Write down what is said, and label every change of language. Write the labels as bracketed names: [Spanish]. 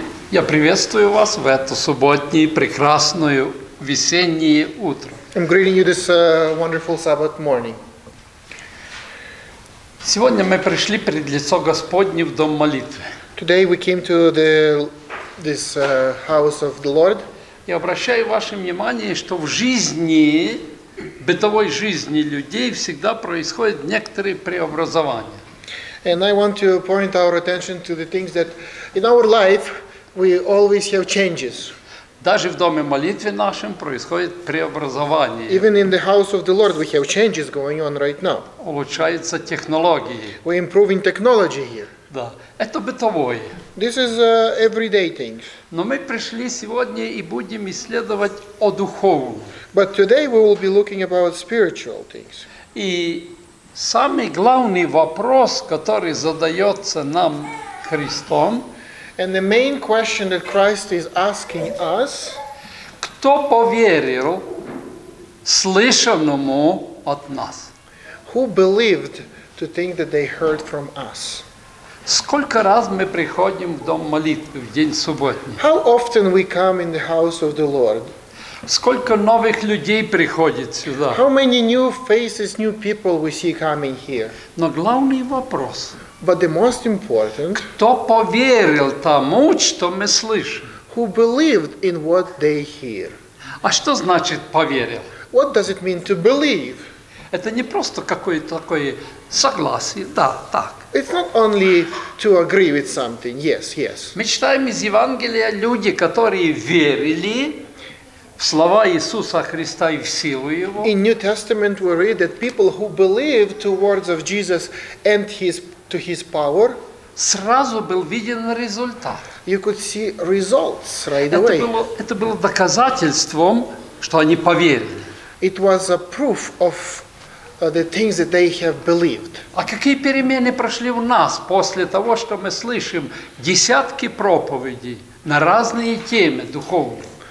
[Russian] Я приветствую вас в это субботнее прекрасное весеннее утро. [English] I'm greeting you this wonderful Sabbath morning. [Russian] Сегодня мы пришли пред лицо Господне в дом молитвы. [English] Today we came to this house of the Lord. [Russian] Я обращаю ваше внимание, что в жизни, бытовой жизни людей всегда происходят некоторые преобразования. [English] And I want to point our attention to the things that in our life we always have changes. [Russian] Даже в доме молитвы нашем происходит преобразование. [English] Even in the house of the Lord, we have changes going on right now. [Russian] Улучшаются технологии. [English] We're improving technology here. [Russian] Да, это бытовое. [English] This is everyday things. [Russian] Но мы пришли сегодня и будем исследовать о духовном. [English] But today we will be looking about spiritual things. [Russian] И самый главный вопрос, который задается нам Христом. [English] And the main question that Christ is asking us, [Russian] кто поверил слышанному от нас? [English] Who believed to think that they heard from us? [Russian] Сколько раз мы приходим в дом молитвы в день субботний? [English] How often we come in the house of the Lord? [Russian] Сколько новых людей приходит сюда? [English] How many new faces, new people we see coming here? [Russian] Но главный вопрос, [English] but the most important, [Russian] кто поверил тому, что мы слышим? [English] Who believed in what they hear? [Russian] А что значит поверил? [English] What does it mean to believe? [Russian] Это не просто какое-то такое согласие. Да, так. [English] It's not only to agree with something. Yes, yes. [Russian] Мы читаем из Евангелия люди, которые верили в слова Иисуса Христа и в силу Его. [English] In New Testament we read that people who believed to words of Jesus and His to His power, [Russian] сразу был виден результат. [English] You could see results right away. [Russian] Это было доказательством, что они поверили. [English] It was a proof of the things that they have believed. [Russian] А какие перемены прошли у нас после того, что мы слышим десятки проповедей на разные темы духовные?